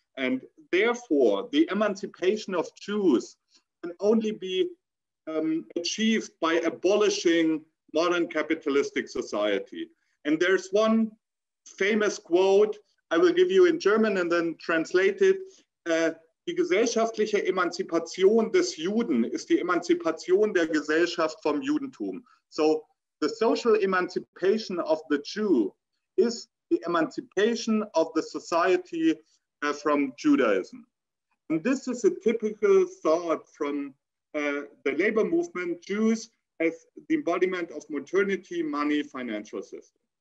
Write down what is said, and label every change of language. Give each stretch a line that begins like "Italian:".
English: And therefore the emancipation of Jews can only be achieved by abolishing modern capitalistic society. And there's one famous quote I will give you in German and then translate it.
German: Die gesellschaftliche Emanzipation des Juden ist die Emanzipation der Gesellschaft vom Judentum.
English: So the social emancipation of the Jew is the emancipation of the society from Judaism. And this is a typical thought from the labor movement, Jews as the embodiment of modernity, money, financial system.